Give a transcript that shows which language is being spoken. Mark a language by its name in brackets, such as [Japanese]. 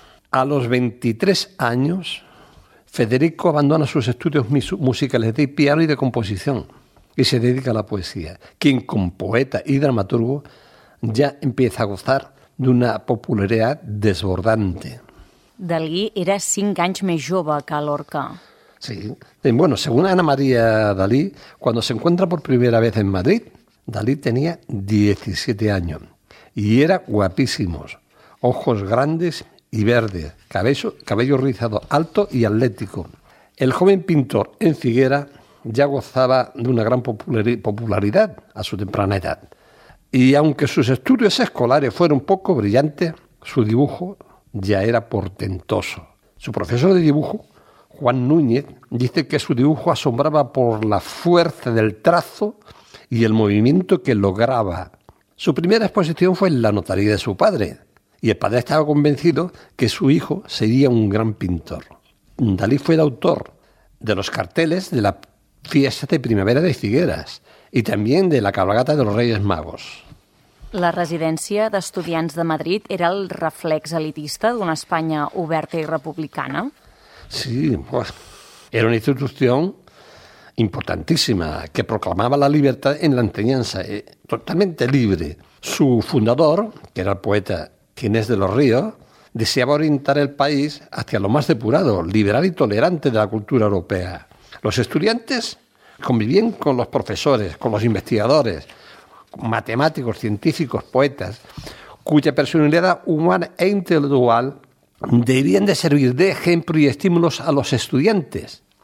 [Spanish] A los 23 años, Federico abandona sus estudios musicales de piano y de composición y se dedica a la poesía, quien como poeta y dramaturgo ya empieza a gozar de una popularidad desbordante. [Catalan] Dalí era 5 anys més jove que Lorca. Sí. [Spanish] Bueno, según Ana María Dalí, cuando se encuentra por primera vez en Madrid, Dalí tenía 17 años y era guapísimo. Ojos grandes y verdes, cabello rizado, alto y atlético. El joven pintor en Figuera ya gozaba de una gran popularidad a su temprana edad. Y aunque sus estudios escolares fueron poco brillantes, su dibujo ya era portentoso. Su profesor de dibujo, Juan Núñez, dice que su dibujo asombraba por la fuerza del trazo y el movimiento que lograba. Su primera exposición fue en la notaría de su padre Y el padre estaba convencido que su hijo sería un gran pintor. Dalí fue el autor de los carteles de la fiesta de primavera de Figueres y también de la cabalgata de los Reyes Magos. [Catalan] La residència d'estudiants de Madrid era el reflex elitista d'una Espanya oberta i republicana? Sí, era una institució importantíssima que proclamava la llibertat en l'ensenyança, totalment lliure. [Spanish] Su fundador, que era el poeta Ginés de los Ríos, deseaba orientar el país hacia lo más depurado, liberal y tolerante de la cultura europea. Los estudiantes convivían con los profesores, con los investigadores, matemáticos, científicos, poetas, cuya personalidad humana e intelectual debían de servir de ejemplo y estímulos a los estudiantes.